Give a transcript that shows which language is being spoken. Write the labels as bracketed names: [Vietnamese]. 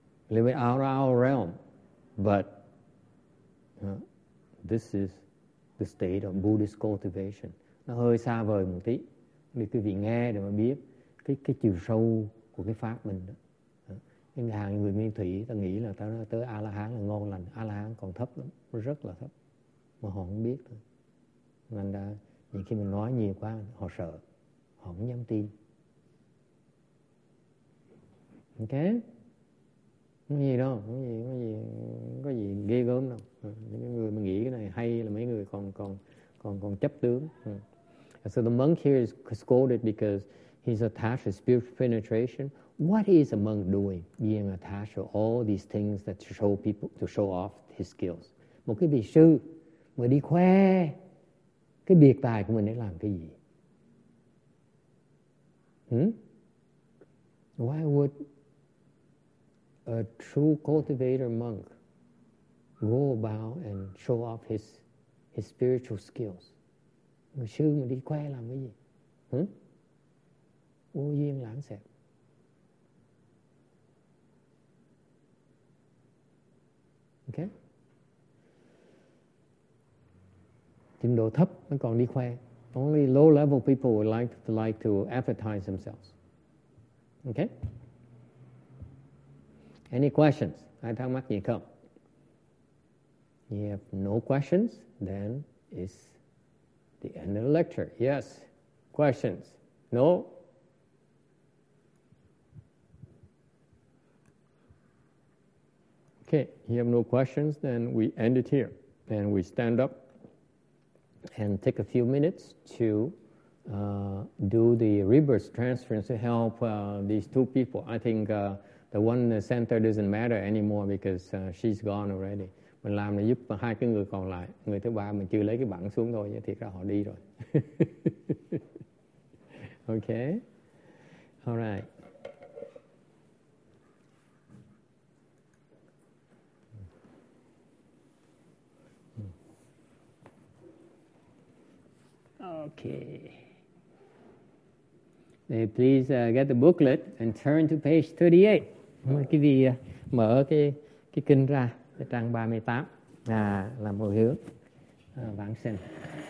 [English] A little bit out of our realm, but this is the state of Buddhist cultivation. [Vietnamese] Nó hơi xa vời một tí. Để quý vị nghe để mà biết cái chiều sâu của cái pháp mình đó. Cái hàng người Nguyên Thủy ta nghĩ là ta nói tới A-la-hán là ngon lành. A-la-hán còn thấp lắm, rất là thấp. Mà họ không biết thôi. Nên là những khi mình nói nhiều quá, họ sợ. Họ không dám tin. Ok? Không có gì đâu, không có gì ghê gớm đâu. Những người mà nghĩ cái này hay là mấy người còn chấp tướng. [English] So the monk here is scolded because he's attached to spiritual penetration. What is a monk doing being attached to all these things that show people, to show off his skills? [Vietnamese] Một cái vị sư mà đi khoe cái biệt tài của mình để làm cái gì? [English] Why would a true cultivator monk go about and show off his spiritual skills? [Vietnamese] Mà sư mà đi khoe làm cái gì? Vô duyên lãng xẹp. [English] Okay. [Vietnamese] Trình độ thấp mới còn đi khoe. [English] Only low level people would like to advertise themselves. Okay. Any questions? Ai thắc mắc gì không? You have no questions, then it's the end of the lecture. Yes. Questions? No? Okay. You have no questions, then we end it here. Then we stand up and take a few minutes to do the reverse transference to help these two people. I think the one in the center doesn't matter anymore because she's gone already. [Vietnamese] Mình làm để giúp hai cái người còn lại. Người thứ ba mình chưa lấy cái bảng xuống thôi, thiệt ra họ đi rồi. [English] Okay. All right. Okay. Please get the booklet and turn to page 38. [Vietnamese] Mời quý vị mở cái kinh ra, trang 38, là một hướng vãng sinh.